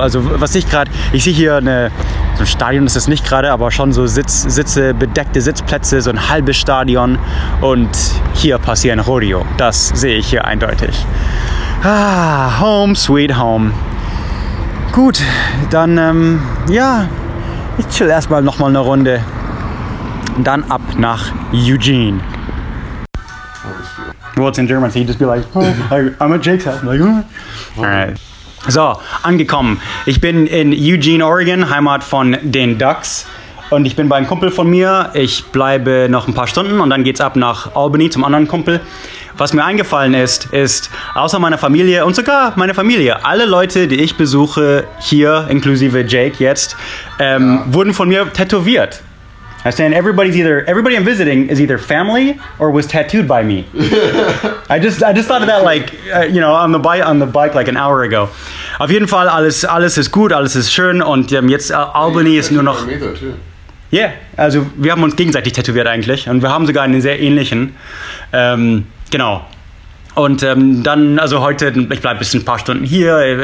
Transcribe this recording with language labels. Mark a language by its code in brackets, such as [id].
[de] Also was ich gerade, ich sehe hier so ein Stadion, ist es nicht gerade, aber schon so bedeckte Sitzplätze, so ein halbes Stadion. Und hier passieren Rodeo. Das sehe ich hier eindeutig. Ah, [en] home sweet home. [de] Gut, dann ich chill erstmal nochmal eine Runde. [en] And then up [de] nach Eugene. [en] Well, it's in German, so you just be like, I'm at Jake's house. I'm like, Alright. [de] So, angekommen. Ich bin in Eugene, Oregon, Heimat von den Ducks. Und ich bin bei einem Kumpel von mir. Ich bleibe noch ein paar Stunden und dann geht's ab nach Albany zum anderen Kumpel. Was mir eingefallen ist, ist, außer meiner Familie und sogar meine Familie, alle Leute, die ich besuche hier, inklusive Jake jetzt, wurden von mir tätowiert. [en] I stand, everybody I'm visiting is either family or was tattooed by me. I just thought of that, like, you know, on the bike, like an hour ago. [de] Auf jeden Fall, alles ist gut, alles ist schön und jetzt Albany ist nur noch... Ja, yeah, also wir haben uns gegenseitig tätowiert eigentlich und wir haben sogar einen sehr ähnlichen. Genau. Und dann, also heute, ich bleibe bis ein paar Stunden hier.